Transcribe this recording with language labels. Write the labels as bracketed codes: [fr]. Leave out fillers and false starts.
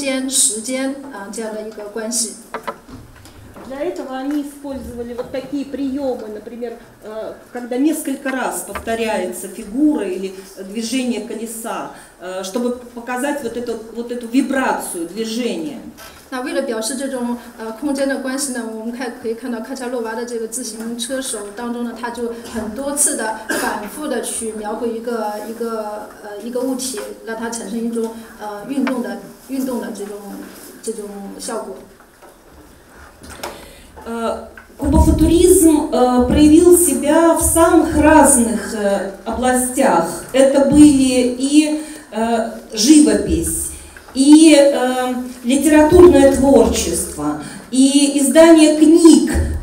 [zh] 那在他们的作品当中呢，我们可以看到他们会展示这个空间、时间啊这样的一个关系。 [ru] Для этого они использовали вот такие приемы, например, когда несколько раз повторяется фигура или движение колеса, чтобы показать вот эту вибрацию движения. [zh] 那为了表示这种空间的关系呢，我们可以看到卡恰洛娃的这个自行车手当中呢，他就很多次的反复的去描绘一个物体，让它产生一种运动的这种效果。 [ru] Кубофутуризм проявил себя в самых разных областях. Это были и живопись, и литературное творчество, и издание книг.